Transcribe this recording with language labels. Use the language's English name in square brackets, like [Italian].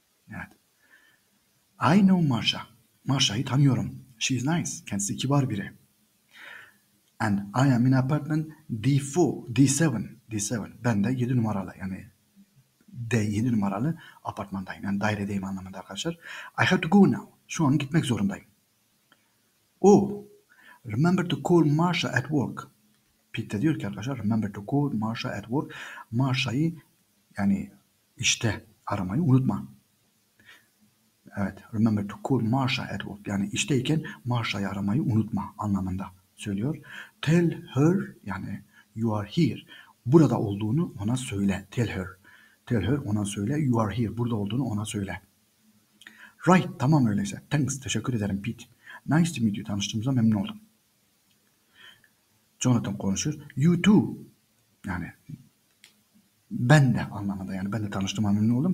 [English] Evet. I know Marsha. [Turkish] Marsha'yı tanıyorum. [English] She is nice. [Turkish] Kendisi kibar biri. [English] And I am in apartment D4, D7, D7. [Turkish] Ben de 7 numaralı, yani D7 numaralı apartmandayım. Yani dairedeyim anlamında arkadaşlar. [English] I have to go now. [Turkish] Şu an gitmek zorundayım. [English] Oh, remember to call Marsha at work. [Turkish] Pete de diyor ki arkadaşlar, [English] remember to call Marsha at work. [Turkish] Marsha'yı, yani işte, aramayı unutma. [English] Evet, remember to call Marsha at work. [Turkish] Yani işteyken Marsha'yı aramayı unutma anlamında söylüyor. [English] Tell her, yani you are here. [Turkish] Burada olduğunu ona söyle. [English] Tell her. Tell her, [Turkish] ona söyle. [English] You are here. [Turkish] Burada olduğunu ona söyle. [English] Right. [Turkish] Tamam öyleyse. [English] Thanks. [Turkish] Teşekkür ederim [English] Pete. Nice to meet you. [Turkish] Tanıştığımıza memnun oldum. Jonathan konuşuyor. [English] You too. [Turkish] Yani ben de anlamında, yani ben de tanıştığıma memnun oldum.